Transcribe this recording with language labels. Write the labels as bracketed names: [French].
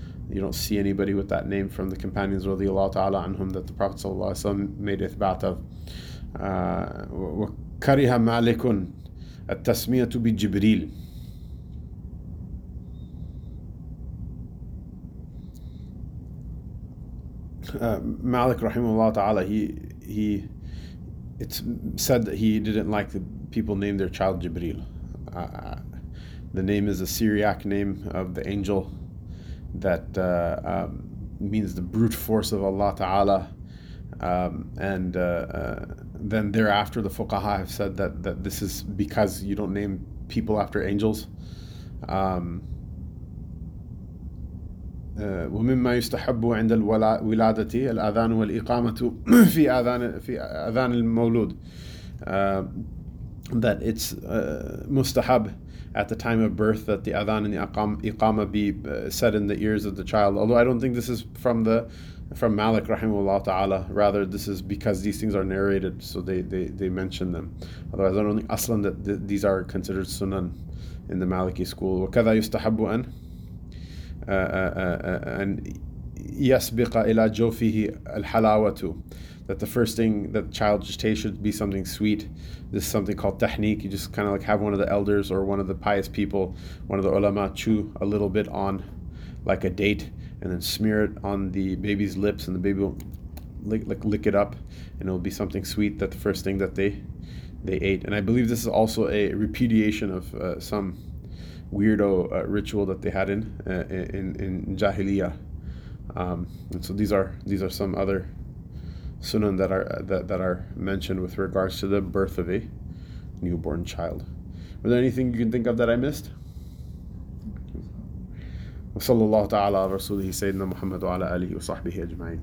[English] You don't see anybody with that name from the companions radiallahu ta'ala anhum that the Prophet ﷺ made ithbat of. [Arabic] وَكَرِهَ مَالِكٌ التَّسْمِيَةُ بِجِبْرِيلِ. [English] Malik rahimahullah ta'ala, it's said that he didn't like the people name their child Jibril. The name is a Syriac name of the angel that means the brute force of Allah ta'ala. Then thereafter the fuqaha have said that this is because you don't name people after angels. [Arabic] ومما يستحب عند الولادة الأذان والإقامة في أذان في أذان المولود. [English] That it's mustahab at the time of birth that the adhan and the iqama be said in the ears of the child. Although I don't think this is from Malik rahimahullah ta'ala. Rather, this is because these things are narrated, so they mention them. Otherwise, I don't think aslan that these are considered sunan in the Maliki school. [Arabic] وكذا يستحب أن أن يسبق إلى جوفه الحلاوة. [English] That the first thing that child gestation should be something sweet. This is something called tahniq. You just kind of like have one of the elders or one of the pious people, one of the ulama, chew a little bit on like a date and then smear it on the baby's lips, and the baby will lick it up, and it will be something sweet that the first thing that they ate. And I believe this is also a repudiation of some weirdo ritual that they had in Jahiliyyah. And so these are some other sunan that are mentioned with regards to the birth of a newborn child. Was there anything you can think of that I missed? [Arabic] وصلى الله تعالى على رسوله سيدنا محمد وعلى آله وصحبه أجمعين.